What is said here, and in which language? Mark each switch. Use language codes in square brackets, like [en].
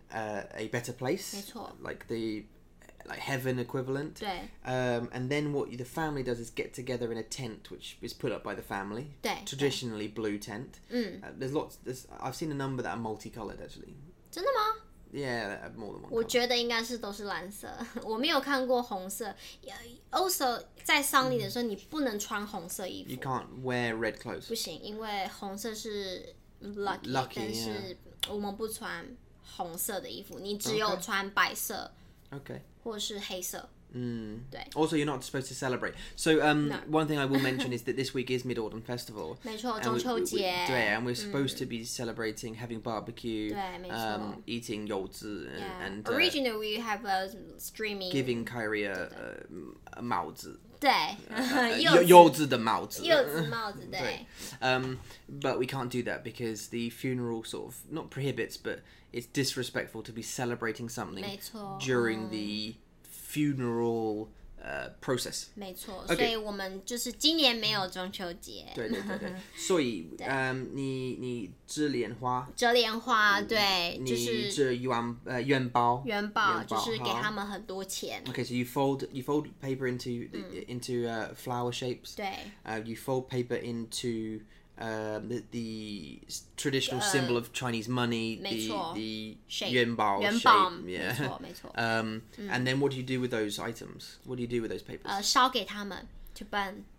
[en] a better place. [zh] 没错。 [en] Like heaven equivalent. And then what the family does is get together in a tent, which is put up by the family. Traditionally blue tent. There's I've seen a number that are multicolored actually. [zh] 真的吗? [en] Yeah, more than one. [zh] 我觉得应该是都是蓝色。我没有看过红色。 [en] Also, [zh] 在丧礼的时候你不能穿红色衣服。 [en] You can't wear red clothes. [zh] 不行，因为红色是 [en] lucky, [zh] 但是我们不穿红色的衣服，你只有穿白色。 [en] Okay. [zh] 或是黑色、 [en] 嗯、also you're not supposed to celebrate. So、 no. one thing I will mention is that this week is Mid-Autumn Festival. [zh] 没错，中秋节。 [en] 对 and we're supposed、嗯、to be celebrating having barbecue, [zh] 对，没错、 [en] eating 柚子 and、 yeah. Originally we have a streaming, giving Kyrie a 帽子。 [zh] 对，柚子的帽子，柚子帽子，对。 [en] But we can't do that because the funeral sort of not prohibits, but it's disrespectful to be celebrating something during the funeral process. [zh] 没错、 [en] okay. [zh] 所以我们就是今年没有中秋节。对对对对，所以你折莲花，折莲花，对，就是折元宝，元宝就是给他们很多钱。 [en] Okay, so you fold paper into、嗯、into flower shapes. [zh] 对、 [en] you fold paper into the traditional symbol of Chinese money, the yuan bao shape. Yeah. And then what do you do with those items? What do you do with those papers? [zh] 烧给他们 [en] to burn.